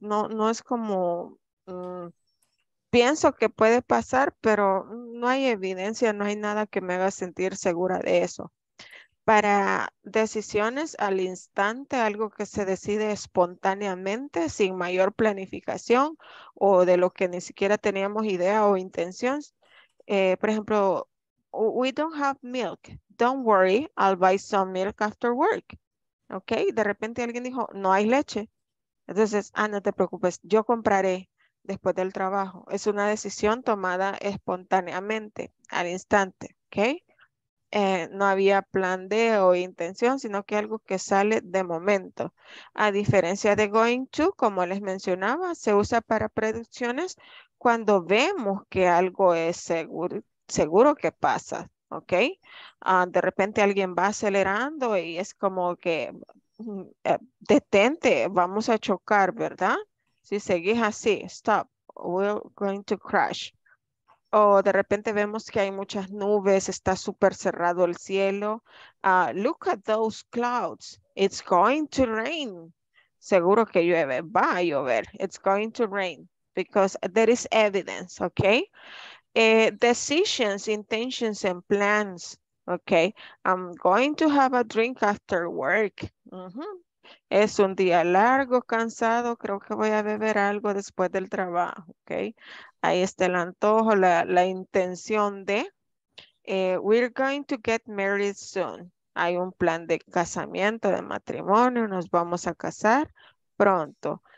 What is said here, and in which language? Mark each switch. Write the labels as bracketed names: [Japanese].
[Spanish] No, no es como... pienso que puede pasar, pero no hay evidencia, no hay nada que me haga sentir segura de eso. Para decisiones al instante, algo que se decide espontáneamente, sin mayor planificación o de lo que ni siquiera teníamos idea o intenciones. Por ejemplo, [English] we don't have milk. Don't worry, I'll buy some milk after work. [Spanish] Okay, de repente alguien dijo, no hay leche. Entonces, no te preocupes, yo compraré. Después del trabajo. Es una decisión tomada espontáneamente, al instante, ¿ok? No había plan de o intención, sino que algo que sale de momento. A diferencia de going to, como les mencionaba, se usa para predicciones cuando vemos que algo es seguro que pasa, ¿ok? De repente alguien va acelerando y es como que detente, vamos a chocar, ¿verdad? Si seguís así, [English] stop, we're going to crash. [Spanish] O de repente vemos que hay muchas nubes, está súper cerrado el cielo. [English] Look at those clouds, it's going to rain. [Spanish] Seguro que llueve, va a llover, [English] it's going to rain. Because there is evidence, ok. Decisions, intentions and plans, ok. I'm going to have a drink after work. [Spanish] Es un día largo, cansado, creo que voy a beber algo después del trabajo, ¿ok? Ahí está el antojo, la intención de, [English] we're going to get married soon. [Spanish] Hay un plan de casamiento, de matrimonio, nos vamos a casar pronto.